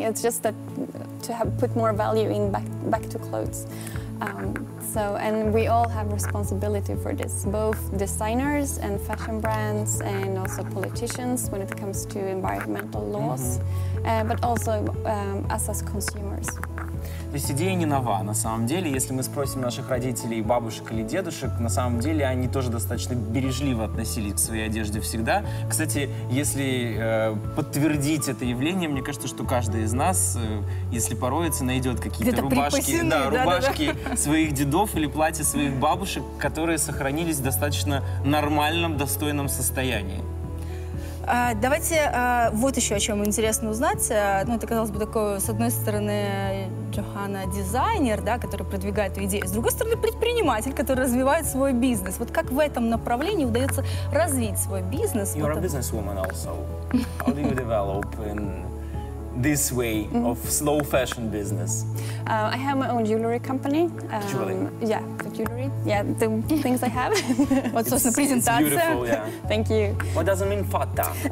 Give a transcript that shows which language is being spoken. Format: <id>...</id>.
<en>It's just that to have put more value in back to clothes. So, and we all have responsibility for this, both designers and fashion brands and also politicians when it comes to environmental laws, but also us as consumers.</en> <ru>То есть идея не нова, на самом деле. Если мы спросим наших родителей, бабушек или дедушек, на самом деле они тоже достаточно бережливо относились к своей одежде всегда. Кстати, если подтвердить это явление, мне кажется, что каждый из нас, если пороется, найдет какие-то где-то рубашки, своих дедов или платья своих бабушек, которые сохранились в достаточно нормальном, достойном состоянии. Давайте вот еще о чем интересно узнать. Ну, это, казалось бы, такое, с одной стороны, Йоханна дизайнер, да, который продвигает эту идею, с другой стороны, предприниматель, который развивает свой бизнес. Вот как в этом направлении удается развить свой бизнес?</ru> <en>You're a businesswoman also. How do you develop in this way of slow fashion business? I have my own jewelry company. Jewelry? Yeah, the jewelry. Yeah, the things I have. What's the presentation? It's beautiful, yeah. Thank you. What does it mean, fatta?</en>